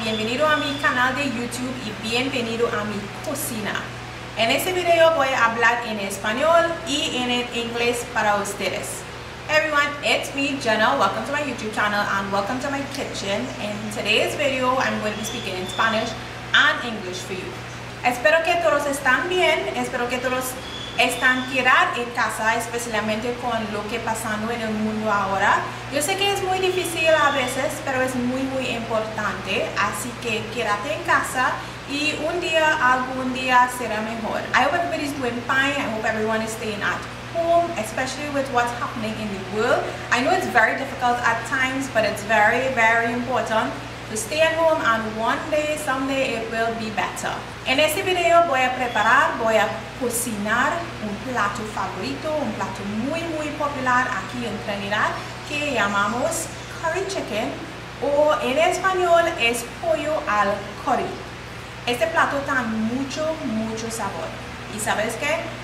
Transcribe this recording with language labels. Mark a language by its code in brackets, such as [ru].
[es] Bienvenido a mi canal de YouTube y bienvenido a mi cocina. En este video voy a hablar en español y en inglés para ustedes. [en] Everyone, it's me, Jana. Welcome to my YouTube channel and welcome to my kitchen. In today's video, I'm going to be speaking in Spanish and English for you. [es] Espero que todos estén bien. Espero que todos están tirados en casa, especialmente con lo que está pasando en el mundo ahora. Yo sé que es muy difícil a veces, pero es muy, muy importante. Así que quédate en casa y un día, algún día será mejor. [en] I hope everybody's doing fine. I hope everyone is staying at home, especially with what's happening in the world. I know it's very difficult at times, but it's very, very important to stay at home and one day, someday, it will be better. [es] En este video voy a preparar, voy a cocinar un plato favorito, un plato muy, muy popular aquí en Trinidad que llamamos curry chicken o en español es pollo al curry. Este plato tiene mucho, mucho sabor. ¿Y sabes qué?